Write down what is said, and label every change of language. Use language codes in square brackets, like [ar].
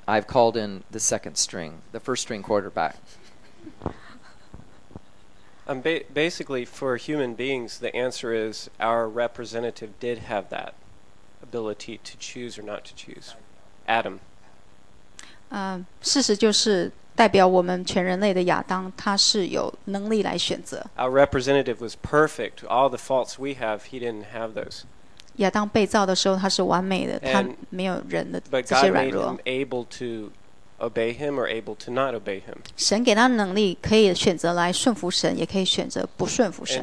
[en] I've called in the second string, the first string quarterback. Basically, for human beings, the answer is our representative did have that ability to choose or not to choose. Adam. [zh] 事实就是代表我们全人类的亚当，他是有能力来选择。 [en] Our representative was perfect. All the faults we have, he didn't have those. [zh] 亚当被造的时候，他是完美的，他没有人的这些软弱。 [en] But God made him able to obey him or able to not obey him. [zh] 神给他能力，可以选择来顺服神，也可以选择不顺服神。